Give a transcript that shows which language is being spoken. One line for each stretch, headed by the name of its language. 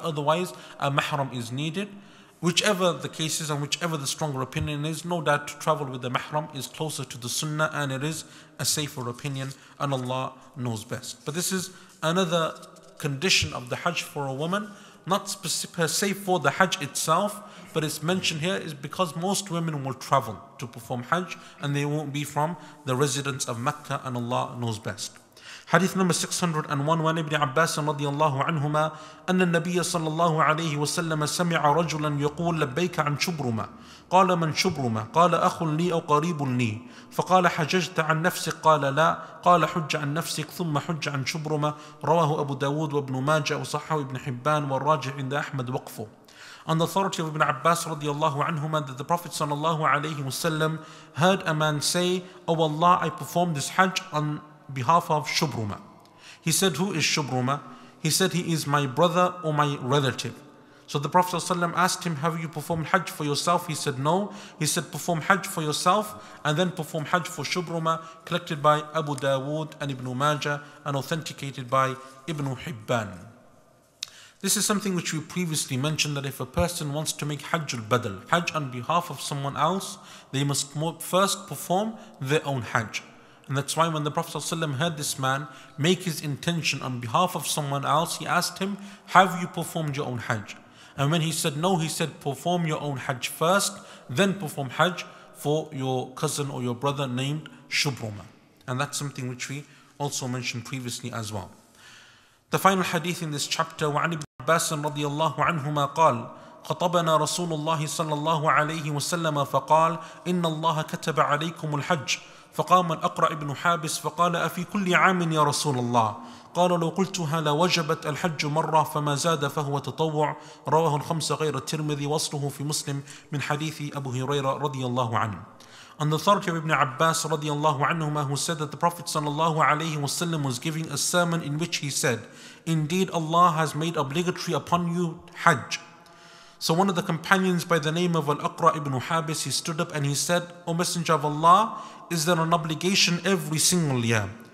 English: Otherwise, a mahram is needed. Whichever the case is and whichever the stronger opinion is, no doubt to travel with the mahram is closer to the sunnah and it is a safer opinion, and Allah knows best. But this is another condition of the Hajj for a woman, not per se for the Hajj itself, but it's mentioned here is because most women will travel to perform Hajj and they won't be from the residents of Mecca, and Allah knows best.
Arabic: Hadith number 601, وعن ابن عباس رضي الله عنهما أن النبي صلى الله عليه وسلم سمع رجلا يقول لبيك عن شبرمة قال من شبرمة قال أخ لي أو قريب لي فقال حججت عن نفسك قال لا قال حج عن نفسك ثم حج عن شبرمة رواه أبو داود وابن ماجة وصححه ابن حبان والراجع عند أحمد وقفه.
English: On the authority of Ibn Abbas radiallahu anhuma, that the Prophet sallallahu alayhi wasallam heard a man say, oh Allah, I performed this Hajj on behalf of Shubruma. He said, who is Shubruma? He said, he is my brother or my relative. So the Prophet ﷺ asked him, have you performed Hajj for yourself? He said, no. He said, perform Hajj for yourself and then perform Hajj for Shubruma, collected by Abu Dawood and Ibn Majah and authenticated by Ibn Hibban. This is something which we previously mentioned, that if a person wants to make Hajj al-Badl, Hajj on behalf of someone else, they must first perform their own Hajj. And that's why when the Prophet ﷺ heard this man make his intention on behalf of someone else, he asked him, have you performed your own Hajj? And when he said no, he said, perform your own Hajj first, then perform Hajj for your cousin or your brother named Shubruma. And that's something which we also mentioned previously as well.
Arabic: The final hadith in this chapter, وعن ابن عباس رضي الله عنهما قال خطبنا رسول الله صلى الله عليه وسلم فقال إن الله كتب عليكم الحج فقام الأقرع بن حابس فقال أفي كل عام يا رسول الله قال لو قلتها لوجبت الحج مرة فما زاد فهو تطوع. رواه الخمسة غير الترمذي وصله في مسلم من حديث أبو هريرة رضي الله عنه.
English: On the authority of Ibn Abbas رضي الله عنهما, who said that the Prophet صلى الله عليه وسلم was giving a sermon in which he said, indeed Allah has made obligatory upon you Hajj. So one of the companions by the name of Al-Aqra ibn Habis, he stood up and he said, O Messenger of Allah, is there an obligation every single year?